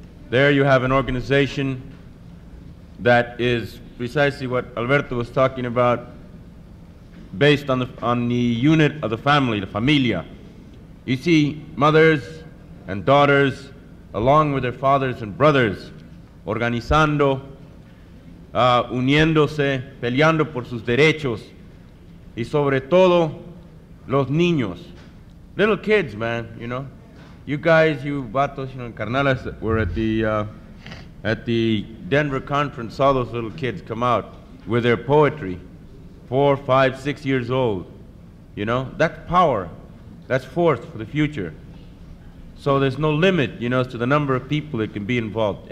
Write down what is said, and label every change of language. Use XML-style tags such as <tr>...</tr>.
<en>There you have an organization that is precisely what Alberto was talking about, based on the unit of the family, the familia. You see, mothers and daughters, along with their fathers and brothers, organizando</en> <es>uniéndose, peleando por sus derechos, y sobre todo los niños.</es> <en>Little kids, man, you know. You guys, you vatos, you know, carnales, were at the Denver conference, saw those little kids come out with their poetry, 4, 5, 6 years old, you know. That's power. That's force for the future. So there's no limit, you know, to the number of people that can be involved.</en>